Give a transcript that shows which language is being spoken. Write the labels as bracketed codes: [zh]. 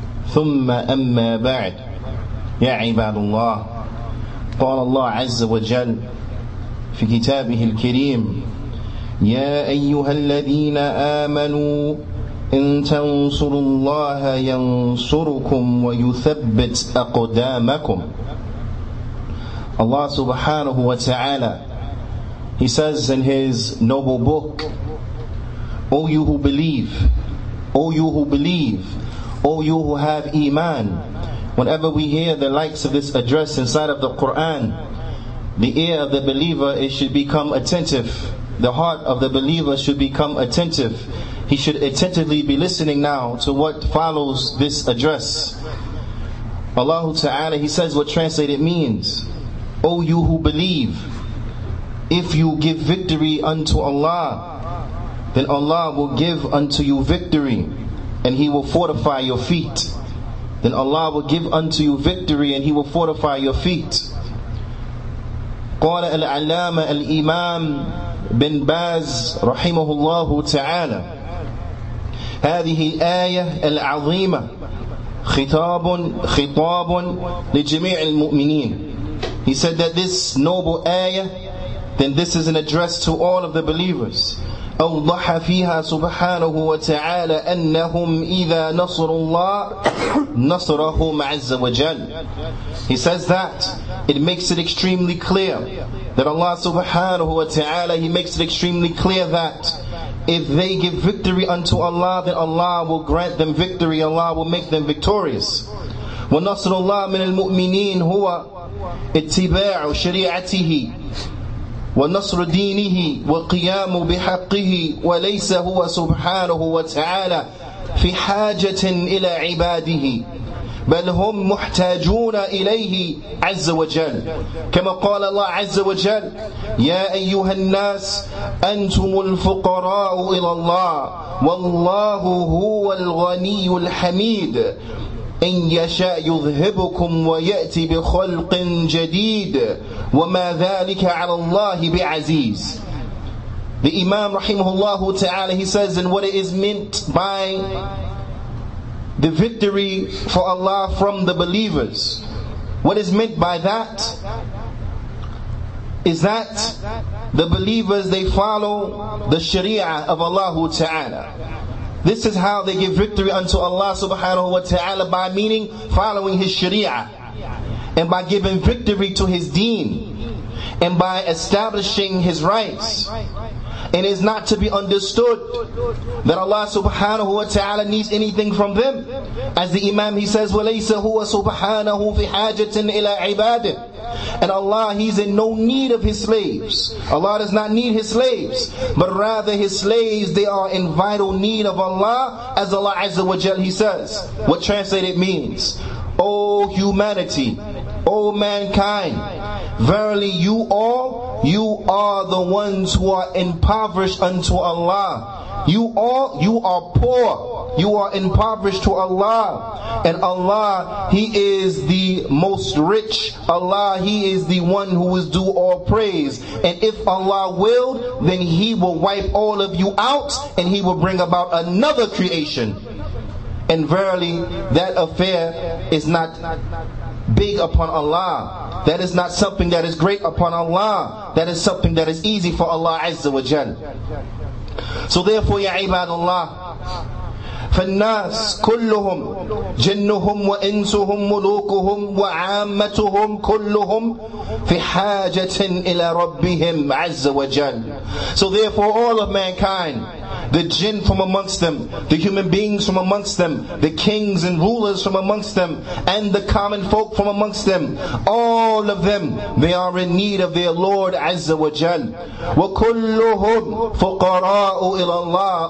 [ar] ثم أما بعد، يا عباد الله، قال الله عز وجل في كتابه الكريم: يا أيها الذين آمنوا إن تنصروا الله ينصركم ويثبت أقدامكم. [en] Allah subhanahu wa ta'ala, He says in His noble book, O you who believe, O you who believe, O you who have iman. Whenever we hear the likes of this address inside of the Quran, the ear of the believer, it should become attentive. The heart of the believer should become attentive. He should attentively be listening now to what follows this address. Allah ta'ala, He says what translated means: O you who believe, if you give victory unto Allah, then Allah will give unto you victory, and He will fortify your feet. Then Allah will give unto you victory, and He will fortify your feet. [ar] قال العلامة الإمام بن باز رحمه الله تعالى هذه الآية العظيمة خطاب لجميع المؤمنين. [en] He said that this noble ayah, then this is an address to all of the believers. [ar] أوضح فيها سبحانه وتعالى أنهم إذا نصر الله نصرهم عز وجل. [en] He says that it makes it extremely clear that Allah subhanahu wa ta'ala, He makes it extremely clear that if they give victory unto Allah, then Allah will grant them victory, Allah will make them victorious. [ar] ونصر الله من المؤمنين هو اتباع شريعته ونصر دينه وقيام بحقه وليس هو سبحانه وتعالى في حاجة إلى عباده بل هم محتاجون إليه عز وجل كما قال الله عز وجل يا أيها الناس أنتم الفقراء إلى الله والله هو الغني الحميد إن يشاء يذهبكم ويأتي بخلق جديد وما ذلك على الله بعزيز. [en] The Imam rahimahullah ta'ala, he says, and what it is meant by the victory for Allah from the believers, what is meant by that is that the believers, they follow the sharia of Allah ta'ala. This is how they give victory unto Allah subhanahu wa ta'ala, by meaning following His sharia, and by giving victory to His deen, and by establishing His rights. And it's not to be understood that Allah subhanahu wa ta'ala needs anything from them. As the Imam, he says, [ar] وَلَيْسَ هُوَ سُبْحَانَهُ فِي حَاجَةٍ إِلَىٰ عِبَادٍ. [en] And Allah, He's in no need of His slaves. Allah does not need His slaves. But rather His slaves, they are in vital need of Allah. As Allah Azza wa Jal, He says, what translated means: O humanity, O mankind, verily you are the ones who are impoverished unto Allah. You are poor. You are impoverished to Allah. And Allah, He is the most rich. Allah, He is the one who is due all praise. And if Allah willed, then He will wipe all of you out and He will bring about another creation. And verily, that affair is not big upon Allah. That is not something that is great upon Allah. That is something that is easy for Allah Azza wa Jal. So therefore, ya ibadullah, [ar] فالناس كلهم جنهم وإنسهم ملوكهم وعامتهم كلهم في حاجة إلى ربهم عز وجل. [en] So therefore, all of mankind, the jinn from amongst them, the human beings from amongst them, the kings and rulers from amongst them, and the common folk from amongst them. All of them, they are in need of their Lord Azza wa Jal. [ar] وَكُلُّهُمْ فُقَرَاءُ إِلَى اللَّهِ.